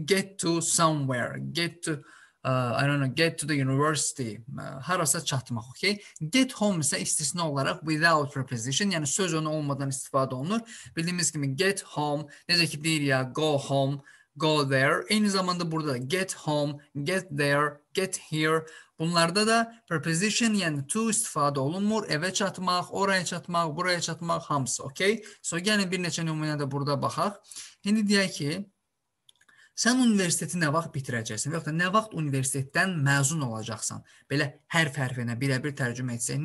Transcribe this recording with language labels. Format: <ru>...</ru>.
<en>Get to somewhere, get to, I don't know, get to the university,</en> <az>harasa çatmaq,</az> <en>okay?</en> <az>Get home isə istisna olaraq</az> <en>without preposition,</en> <az>yəni söz önü olmadan istifadə olunur. Bildiyimiz kimi get home, necə ki deyir ya, go home, go there. Eyni zamanda burada</az> <en>get home, get there, get here.</en> <az>Bunlarda da preposition, yəni to istifadə olunmur. Evə çatmaq, oraya çatmaq, buraya çatmaq, hamısı, okay? So, gəlin bir neçə nümunə də burada baxaq. İndi deyək ki, sən universiteti nə vaxt bitirəcəksin? Və yaxud da nə vaxt universitetdən məzun olacaqsan? Belə hərf-hərfinə birə-bir tərcümə etsək.</az>